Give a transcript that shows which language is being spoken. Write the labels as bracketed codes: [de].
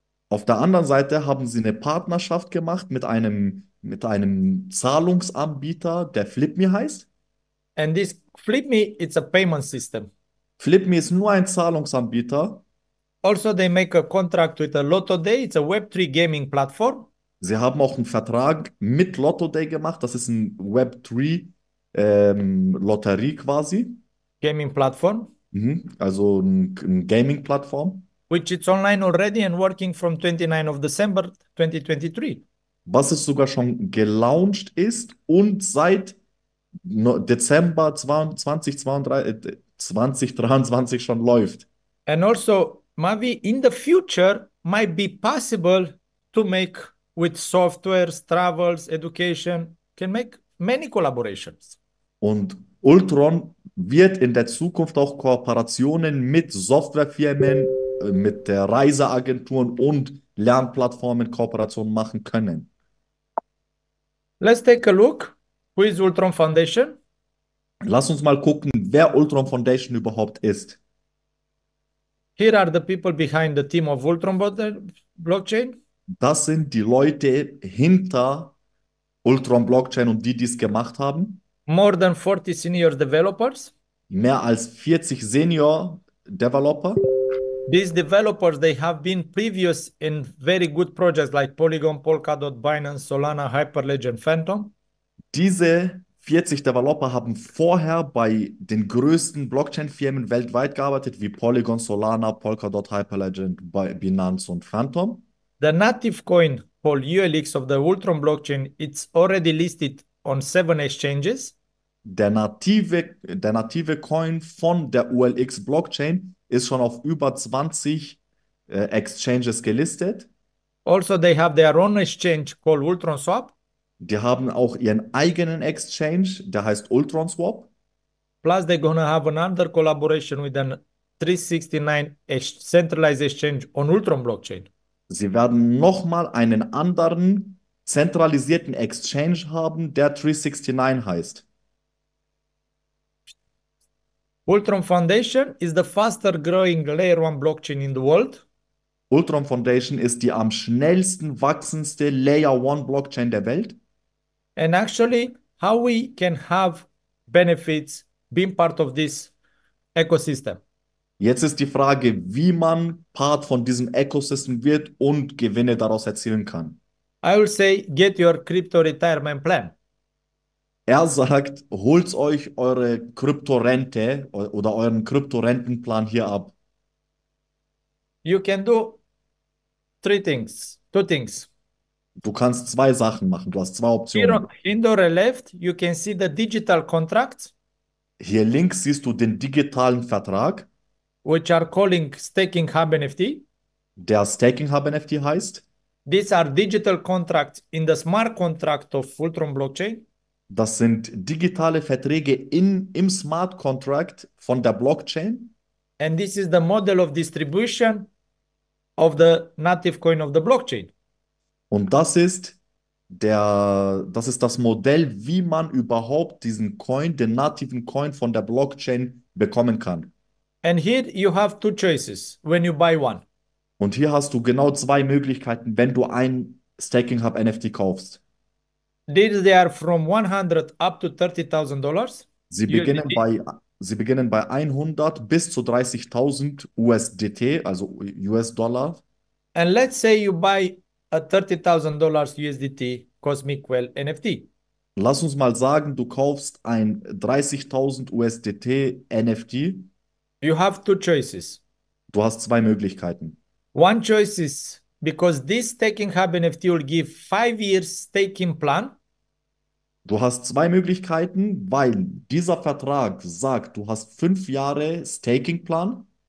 [de] Auf der anderen Seite haben sie eine Partnerschaft gemacht mit einem Zahlungsanbieter, der FlipMe heißt. [en] And this FlipMe, it's a payment system. [de] FlipMe ist nur ein Zahlungsanbieter. [en] Also they make a contract with a LottoDay, it's a Web3 gaming platform. [de] Sie haben auch einen Vertrag mit LottoDay gemacht, das ist ein Web3 Lotterie quasi. [en] Gaming platform. [de] Also ein Gaming-Plattform. [en] Which is online already and working from 29 of December 2023. [de] Was es sogar schon gelauncht ist und seit Dezember 2023 schon läuft. [en] And also, Mavi, in the future, might be possible to make with softwares, travels, education, can make many collaborations. [de] Und Ultron wird in der Zukunft auch Kooperationen mit Softwarefirmen, mit der Reiseagenturen und Lernplattformen Kooperationen machen können. [en] Let's take a look. Who is Ultron Foundation? [de] Lass uns mal gucken, wer Ultron Foundation überhaupt ist. [en] Here are the people behind the team of Ultron Blockchain. [de] Das sind die Leute hinter Ultron Blockchain und die, die es gemacht haben. [en] More than 40 senior developers. [de] Mehr als 40 Senior Developer. [en] These developers, they have been previous in very good projects like Polygon, Polkadot, Binance, Solana, Hyperledger, Phantom. [de] Diese 40 Developer haben vorher bei den größten Blockchain-Firmen weltweit gearbeitet, wie Polygon, Solana, Polkadot, Hyperledger, Binance und Phantom. [en] The native coin called ULX of the Ultron blockchain, it's already listed on seven exchanges. [de] Der native Coin von der ULX Blockchain ist schon auf über 20 Exchanges gelistet. [en] Also, they have their own exchange called Ultron Swap. [de] Die haben auch ihren eigenen Exchange, der heißt Ultron Swap. [en] Plus, they're gonna have another collaboration with an 369 centralized exchange on Ultron blockchain. [de] Sie werden nochmal einen anderen zentralisierten Exchange haben, der 369 heißt. [en] Ultron Foundation is the faster growing layer one blockchain in the world. [de] Ultron Foundation ist die am schnellsten wachsendste Layer-1-Blockchain der Welt. [en] And actually, how we can have benefits being part of this ecosystem. [de] Jetzt ist die Frage, wie man Part von diesem Ecosystem wird und Gewinne daraus erzielen kann. [en] I will say, get your crypto retirement plan. [de] Er sagt, holt euch eure Kryptorente oder euren Kryptorentenplan hier ab. [en] You can do three things, two things. [de] Du kannst zwei Sachen machen. Du hast zwei [en] Here on [de] Optionen. [en] the left, you can see the digital contracts, [de] Hier links siehst du den digitalen Vertrag, [en] which are calling Staking Hub NFT. [de] der Staking Hub NFT heißt. [en] These are digital contracts in the smart contract of Ultron Blockchain. [de] Das sind digitale Verträge im Smart Contract von der Blockchain. [en] And this is the model of distribution of the native coin of the blockchain. [de] Und das ist das Modell, wie man überhaupt diesen Coin, den nativen Coin von der Blockchain bekommen kann. [en] And here you have two choices when you buy one. [de] Und hier hast du genau zwei Möglichkeiten, wenn du ein Staking Hub NFT kaufst. [en] These they are from 100 up to $30,000 [de] Sie [en] USDT. [de] beginnen bei 100 bis zu 30.000 USDT, also US-Dollar. [en] And let's say you buy a $30,000 USDT Cosmic Whale NFT. [de] Lass uns mal sagen, du kaufst ein 30.000 USDT NFT. [en] You have two choices. [de] Du hast zwei Möglichkeiten. [en] One choice is because this staking hub NFT will give 5 years staking plan. [de] Du hast zwei Möglichkeiten, weil dieser Vertrag sagt, du hast 5 Jahre Staking-Plan.